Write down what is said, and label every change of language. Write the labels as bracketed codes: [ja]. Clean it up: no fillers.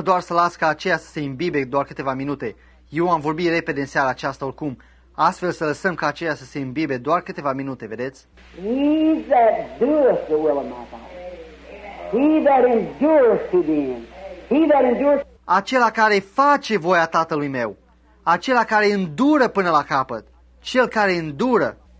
[ro] doar să las ca aceea să se imbibe doar câteva minute. Eu am vorbit repede în seara aceasta oricum. Astfel să lăsăm ca aceea să se imbibe doar câteva minute, vedeți? [en] He that doeth the will of my Father. He that endureth to the end. He that endureth. [ro] Acela care face voia Tatălui meu. Acela care îndură până la capăt. Cel care îndură.